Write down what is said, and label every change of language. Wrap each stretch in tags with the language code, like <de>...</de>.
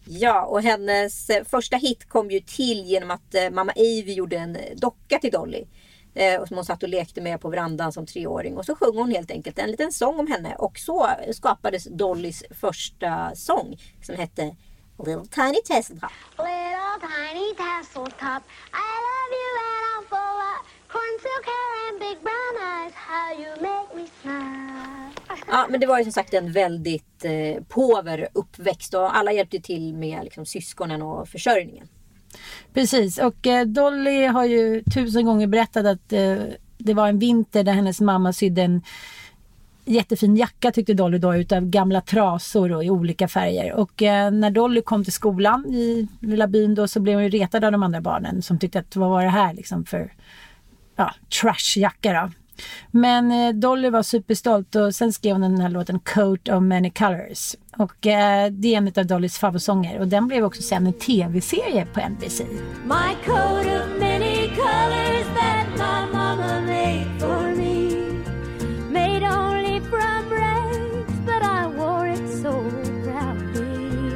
<sv>Ja, och hennes första hit kom ju till genom att mamma Ivy gjorde en docka till Dolly. Och som hon satt och lekte med på verandan som 3-åring. Och så sjöng hon helt enkelt en liten sång om henne. Och så skapades Dollys första sång som hette Little Tiny Tesseltop.</sv> <en>Little Tiny Tesseltop, I love you and I'm full of cornsilk hair and big brown eyes, how you make me smile.</en> <sv>Ja, men det var ju som sagt en väldigt påver uppväxt, och alla hjälpte till med liksom syskonen och försörjningen. Precis, och Dolly har ju 1000 gånger berättat att det var en vinter där hennes mamma sydde en jättefin jacka tyckte Dolly då, utav gamla trasor och i olika färger. Och när Dolly kom till skolan i lilla byn då, så blev hon ju retad av de andra barnen som tyckte att vad var det här liksom för ja, trashjacka då. Men Dolly var superstolt och sen skrev hon den här låten Coat of Many Colors. Och det är en av Dollys favoritsånger och den blev också sen en tv-serie på NBC.</sv> <en>My coat of many colors that my mama made for me. Made only from rags, but I wore it so proudly.</en>